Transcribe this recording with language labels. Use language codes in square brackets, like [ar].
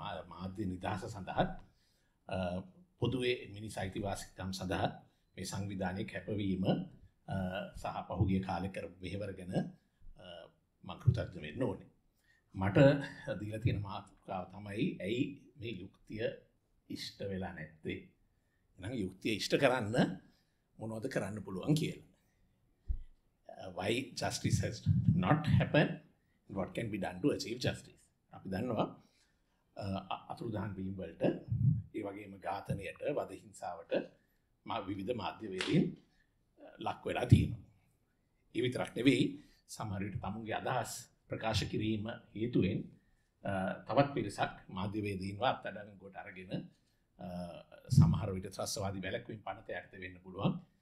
[si] මාධ්‍ය නිදහස සඳහාත් පොදුවේ මිනිස් අයිතිවාසිකම් සඳහා මේ සංවිධානයේ කැපවීම සහ පහුගිය කාලේ කරපු මෙහෙවර ගැන මම කෘතඥ වෙන්න ඕනේ. මට දීලා තියෙන මාතෘකාව තමයි ඇයි මේ යුක්තිය ඉෂ්ට වෙලා නැත්තේ? එහෙනම් යුක්තිය ඉෂ්ට කරන්න මොනවද කරන්න පුළුවන් කියලා. [en] Why justice has not happened? What can be done to achieve justice? [si] අපි දන්නවා අතුරුදහන් වීම වලට, ඒ වගේම ඝාතනයට, වද හිංසාවට මා විවිධ මාධ්‍යවේදීන් ලක් වෙලා තියෙනවා. ඒ විතරක් නෙවෙයි, සමහර විට තමුන්ගේ අදහස් ප්‍රකාශ කිරීම හේතුවෙන් තවත් පිරිසක් මාධ්‍යවේදීන්ව අත්අඩංගුවට කොට අරගෙන සමහර විට ත්‍රස්තවාදී වැළැක්වීම් පනත යටතේ වෙන්න පුළුවන්.